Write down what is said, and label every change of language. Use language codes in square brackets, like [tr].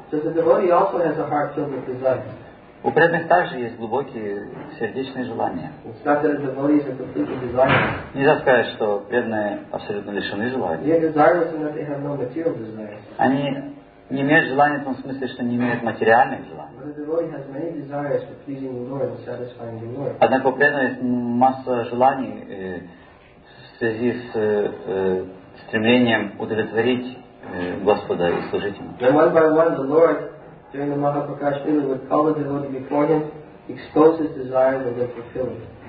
[en] So the devotee also has a heart filled with desires. [ru] У преданных также есть глубокие сердечные желания. [en] It's not that the devotees are completely desireless. [ru] Нельзя сказать, что преданные абсолютно лишены желаний. [en] They are desireless in that they have no material desires. [ru] Они не имеют желаний в том смысле, что не имеют материальных желаний. Однако у преданного есть масса желаний в связи с стремлением удовлетворить Господа и служить Ему. [en] Then one by one, the Lord, during the Mahaprakashlila, would call the devotee before Him, expose his desires, and then fulfill them.